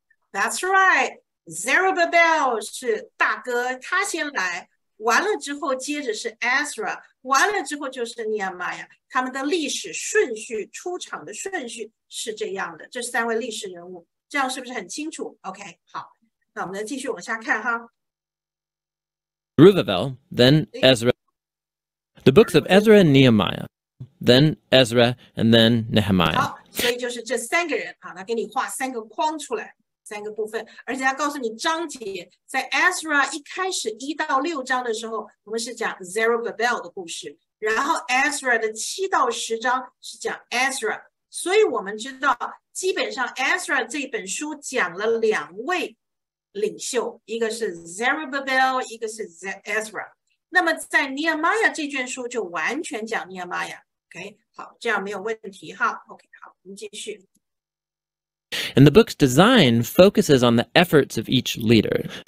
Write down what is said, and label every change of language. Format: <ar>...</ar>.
<en>That's right.</en> <zh>Zerubbabel 是大哥，他先来，完了之后接着是 Ezra, 完了之后就是 Nehemiah. 他们的历史顺序，出场的顺序是这样的，这三位历史人物。这样是不是很清楚 ？OK， 好，那我们再继续往下看哈。</zh> <en>Zerubbabel, then Ezra. The books of Ezra and Nehemiah, then Ezra and then Nehemiah.</en> <zh>好，所以就是这三个人哈，他给你画三个框出来，三个部分，而且他告诉你章节，在 Ezra 一开始一到六章的时候，我们是讲 Zerubbabel 的故事，然后 Ezra 的七到十章是讲 Ezra， 所以我们知道。基本上 Ezra 这本书讲了两位领袖，一个是 Zerubbabel， 一个是 Ezra。那么在 Nehemiah 这卷书就完全讲 Nehemiah。 OK， 好，这样没有问题哈。 OK， 好，我们继续。</zh> <en>And the book's design focuses on the efforts of each leader.</en>